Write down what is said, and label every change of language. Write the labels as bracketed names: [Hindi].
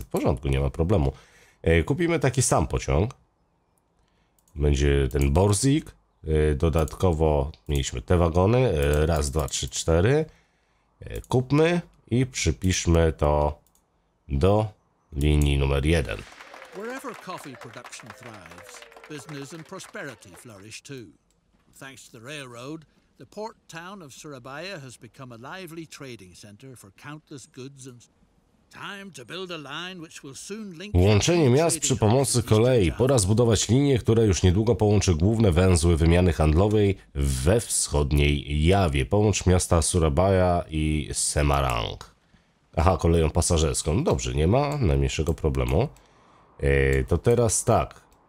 [Polish] W porządku, nie ma problemu. Kupimy taki sam pociąg. Będzie ten Borzik. Dodatkowo mieliśmy te wagony. Raz, dwa, trzy, cztery. Kupmy i przypiszmy to do linii numer 1. [English] Wherever coffee production thrives, business and prosperity flourish too. Thanks to the railroad, the port town of Surabaya has become a lively trading center for countless goods and time to build a line which will soon link. [Polish] Łączenie miast przy pomocy kolei. Pora zbudować linię, która już niedługo połączy główne węzły wymiany handlowej we wschodniej Jawie. Połącz miasta Surabaya i Semarang. Aha, koleją pasażerską. Dobrze, nie ma najmniejszego problemu. To teraz tak.